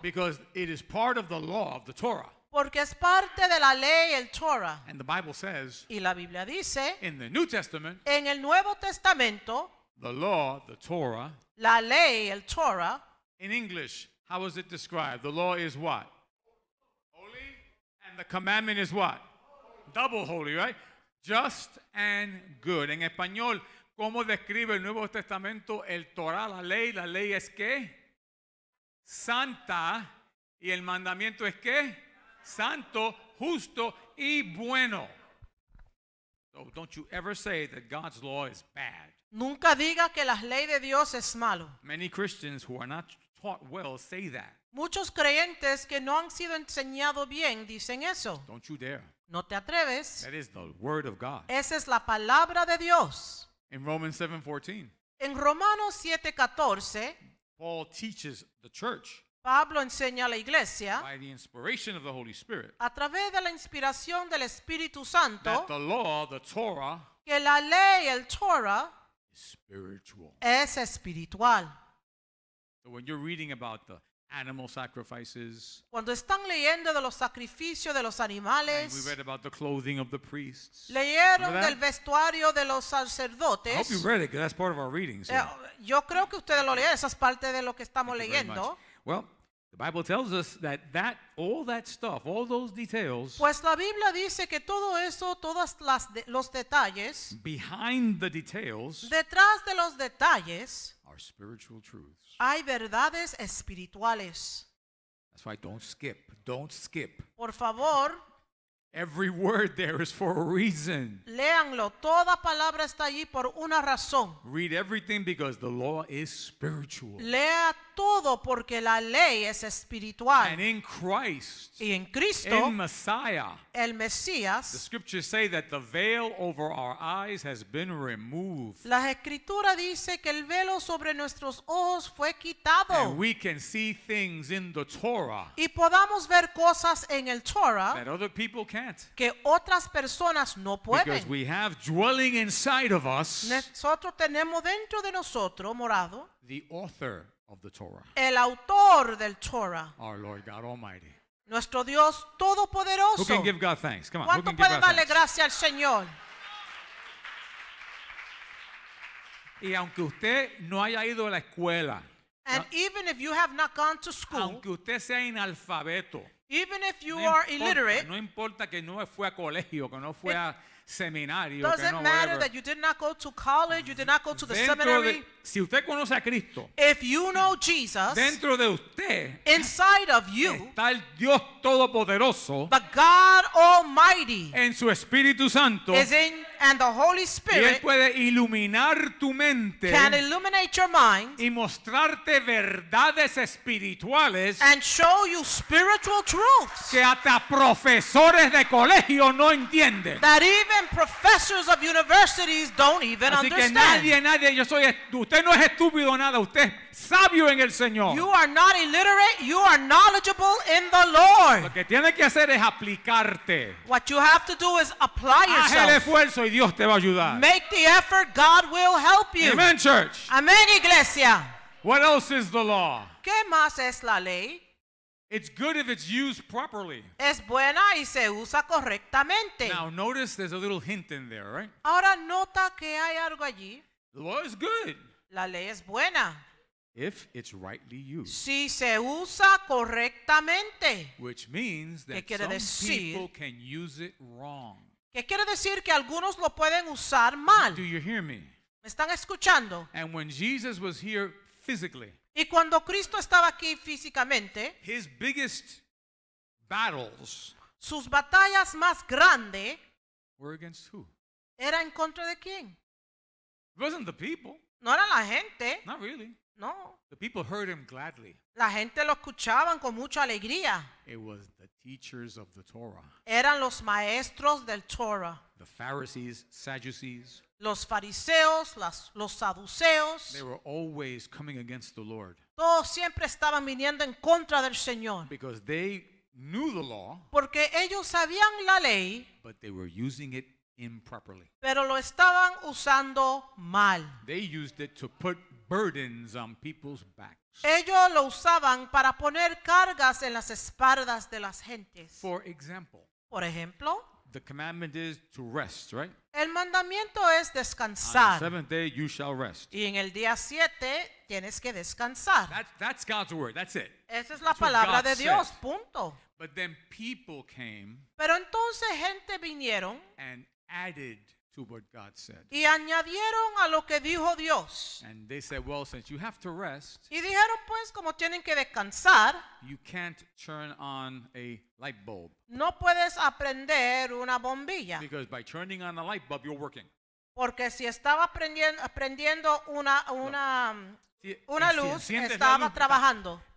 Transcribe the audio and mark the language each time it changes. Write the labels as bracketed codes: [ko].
[en] Because it is part of the law of the Torah. [es] Porque es parte de la ley, el Torah. [en] And the Bible says, [es] y la Biblia dice, [en] in the New Testament, [es] en el Nuevo Testamento, [en] the law, the Torah, [es] la ley, el Torah, [en] in English, how is it described? The law is what? Holy. And the commandment is what? Double holy, right? Just and good. [es] En español, ¿cómo describe el Nuevo Testamento el Torah, la ley? La ley es ¿qué? Santa. ¿Y el mandamiento es ¿qué? Santo, justo y bueno. [en] So don't you ever say that God's law is bad. [es] Nunca diga que la ley de Dios es malo. [en] Many Christians who are not taught well say that. [es] Muchos creyentes que no han sido enseñados bien dicen eso. [en] Don't you dare. [es] No te atreves. [en] That is the word of God. [es] Esa es la palabra de Dios. [en] In Romans 7:14. [es] En Romanos 7:14. [en] Paul teaches the church. [es] Pablo enseña a la iglesia. [en] By the inspiration of the Holy Spirit. [es] A través de la inspiración del Espíritu Santo. [en] That the law, the Torah. [es] Que la ley, el Torah. [en] Is spiritual. [es] Es espiritual. [en] So when you're reading about the animal sacrifices. [es] Cuando están leyendo de los sacrificios de los animales. [en] And we read about the clothing of the priests. [es] Leyeron del vestuario de los sacerdotes. [en] I hope you read it, because that's part of our readings. [es] Yo creo que ustedes lo leyeron. Esa es parte de lo que estamos leyendo. [en] Well, the Bible tells us that all that stuff, all those details. [es] Pues la Biblia dice que todo eso, todas las los detalles. [en] Behind the details. [es] Detrás de los detalles. [en] Are spiritual truths. [es] Hay verdades espirituales. [en] That's why don't skip. Don't skip. [es] Por favor. [en] Every word there is for a reason. [es] Léanlo. Toda palabra está allí por una razón. [en] Read everything because the law is spiritual. [es] Lea todo porque la ley es espiritual. [en] And in Christ. [es] Y en Cristo. [en] In Messiah. [es] El Mesías. [en] The scriptures say that the veil over our eyes has been removed. [es] La escritura dice que el velo sobre nuestros ojos fue quitado. [en] And we can see things in the Torah. [es] Y podamos ver cosas en el Torah. [en] That other people can't. [es] Que otras personas no pueden. [en] Because we have dwelling inside of us. [es] Nosotros tenemos dentro de nosotros morado. [en] The author of the Torah. [es] El autor del Torah. [en] Our Lord God Almighty. [es] Nuestro Dios Todopoderoso. [en] Who can give God thanks? Come on. [es] ¿Cuánto puede darle gracias al Señor? Y aunque usted no haya ido a la escuela. [en] And even if you have not gone to school. [es] Aunque usted sea analfabeto. [en] Even if you are illiterate. [es] No importa que no fue a colegio, que no fue a seminario. [en] Doesn't [es] que no, [en] matter whatever. That you did not go to college, you did not go to the seminary. [es] De, si usted conoce a Cristo, [en] if you know Jesus, [es] dentro de usted, [en] inside of you, [es] está el Dios Todopoderoso, [en] the God Almighty, [es] en su Espíritu Santo, [en] is in, and the Holy Spirit, [es] y él puede iluminar tu mente, [en] can illuminate your mind, [es] y mostrarte verdades espirituales, [en] and show you spiritual truths, [es] que hasta profesores de colegio no entienden. [en] That even professors of universities don't even [es] así [en] understand. [es] Así que nadie, yo soy usted no es estúpido nada, usted es sabio en el Señor. [en] You are not illiterate, you are knowledgeable in the Lord. [es] Lo que tiene que hacer es aplicarte. [en] What you have to do is apply yourself. [es] Haz el esfuerzo y Dios te va a ayudar. [en] Make the effort, God will help you. Amen, church. [es] Amen, iglesia. [en] What else is the law? [es] ¿Qué más es la ley? [en] It's good if it's used properly. [es] Es buena y se usa correctamente. [en] Now notice there's a little hint in there, right? [es] Ahora nota que hay algo allí. [en] The law is good. [es] La ley es buena. [en] If it's rightly used. [es] Si se usa correctamente. [en] Which means that some people can use it wrong. [es] ¿Qué quiere decir que algunos lo pueden usar mal? [en] Do you hear me? [es] ¿Me están escuchando? [en] And when Jesus was here physically. [es] Y cuando Cristo estaba aquí físicamente, [en] his biggest battles, [es] sus batallas más grandes, [en] were against who? [es] Era en contra de quién? [en] It wasn't the people. [es] No era la gente. [en] Not really. [es] No. [en] The people heard him gladly. [es] La gente lo escuchaban con mucha alegría. [en] It was the teachers of the Torah. [es] Eran los maestros del Torah. [en] The Pharisees, Sadducees. [es] Los fariseos, los saduceos. [en] They were always coming against the Lord. [es] Todos siempre estaban viniendo en contra del Señor. [en] Because they knew the law. [es] Porque ellos sabían la ley. [en] But they were using it improperly. [es] Pero lo estaban usando mal. [en] They used it to put burdens on people's backs. [es] Ellos lo usaban para poner cargas en las espaldas de las gentes. [en] For example. [es] Por ejemplo. [en] The commandment is to rest, right? [es] El mandamiento es descansar. [en] On the seventh day you shall rest. [es] Y en el día siete tienes que descansar. [en] That's God's word. That's it. [es] Esa es la palabra de Dios. Punto. [en] But then people came. [es] Pero entonces gente vinieron. [en] And added to what God said. [es] Y añadieron a lo que dijo Dios. [en] And they said, well, since you have to rest. [es] Y dijeron pues como tienen que descansar. [en] You can't turn on a light bulb. [es] No puedes aprender una bombilla. [en] Because by turning on a light bulb, you're working. [es] Porque si estaba prendiendo una luz, estaba trabajando.